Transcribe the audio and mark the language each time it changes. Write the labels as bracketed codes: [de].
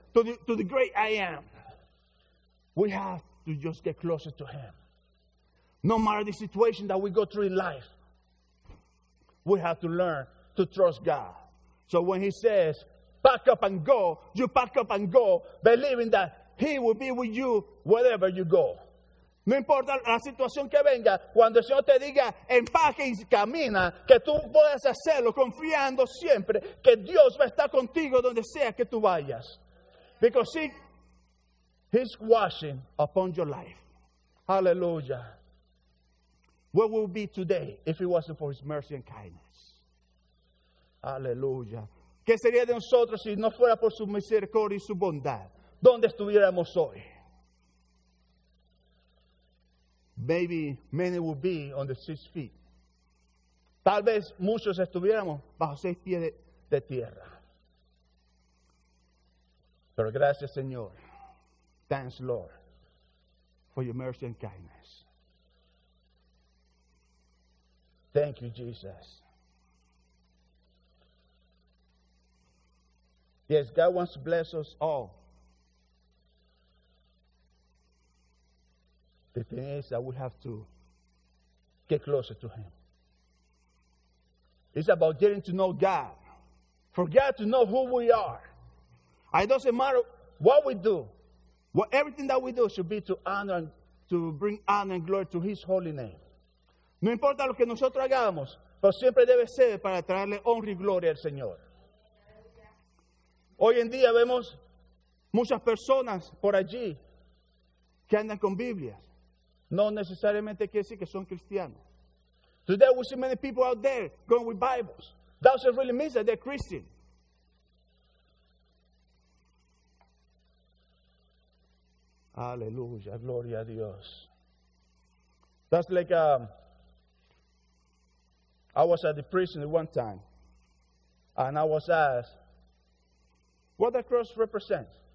[en] To the great I Am. We have to just get closer to Him. No matter the situation that we go through in life, we have to learn to trust God. So when He says, pack up and go, you pack up and go, believing that He will be with you wherever you go. [es] No importa la situación que venga, cuando el Señor te diga, empaque y camina, que tú puedas hacerlo confiando siempre que Dios va a estar contigo donde sea que tú vayas. [en] Because He's watching upon your life. Hallelujah. Where would we be today if it wasn't for His mercy and kindness? Hallelujah. [es] ¿Qué sería de nosotros si no fuera por su misericordia y su bondad? ¿Dónde estuviéramos hoy? [en] Maybe many would be on the 6 feet. [es] Tal vez muchos estuviéramos bajo 6 pies de tierra. Pero gracias, Señor. [en] Thanks, Lord, for your mercy and kindness. Thank you, Jesus. Yes, God wants to bless us all. The thing is that we have to get closer to Him. It's about getting to know God. For God to know who we are. It doesn't matter what we do. What everything that we do should be to honor and to bring honor and glory to His holy name. [es] No importa lo que nosotros hagamos, pero siempre debe ser para traerle honra y gloria al Señor. Hoy en día vemos muchas personas por allí que andan con Biblias. No necesariamente quiere decir que son cristianos. [en] Today we see many people out there going with Bibles. That doesn't really mean that they're Christian. [es] Aleluya, gloria a Dios. [en] That's like I was at the prison one time, and I was asked, what the cross represents?